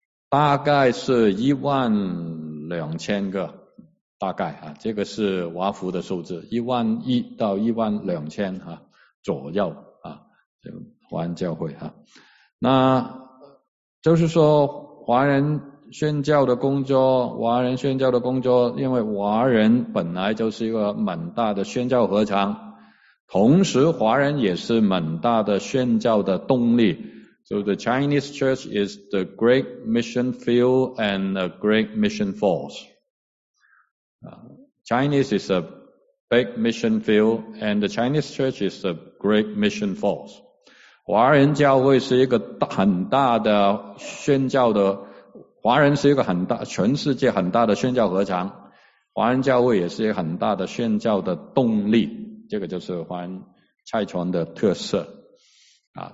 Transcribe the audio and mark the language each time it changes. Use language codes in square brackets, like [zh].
[zh] 大概是12000个，大概啊，这个是华福的数字，11000到12000啊左右啊，华人教会啊，那就是说华人宣教的工作，华人宣教的工作，因为华人本来就是一个蛮大的宣教合场，同时华人也是蛮大的宣教的动力。 [en] So the Chinese church is the great mission field and a great mission force. Chinese is a big mission field and the Chinese church is a great mission force. [zh] 华人教会是一个很大的宣教的，华人是一个很大，全世界很大的宣教合场，华人教会也是一个很大的宣教的动力，这个就是华人蔡传的特色啊。